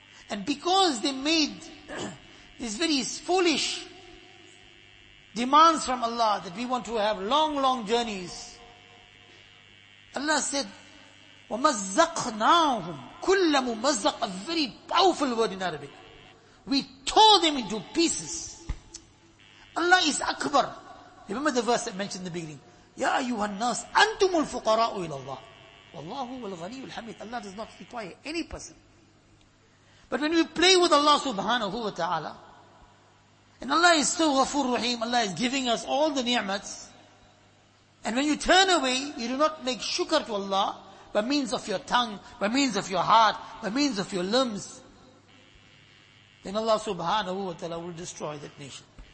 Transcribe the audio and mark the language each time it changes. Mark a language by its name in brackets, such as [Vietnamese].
[English] And because they made these very foolish demands from Allah that we want to have long, long journeys, Allah said, [Arabic] وَمَزَّقْنَاهُمْ كُلَّ مُمَزَّقْ [English] A very powerful word in Arabic. We tore them into pieces. Allah is Akbar. Remember the verse I mentioned in the beginning. [Arabic] يَا أَيُّهَا النَّاسِ أَنْتُمُ الْفُقَرَاءُ إِلَى اللَّهِ وَاللَّهُ وَالْغَنِيُّ الْحَمِيدُ [English] Allah does not require any person. But when we play with Allah subhanahu wa ta'ala, and Allah is so ghafoor rahim, Allah is giving us all the ni'mats, and when you turn away, you do not make shukr to Allah by means of your tongue, by means of your heart, by means of your limbs, then Allah subhanahu wa ta'ala will destroy that nation.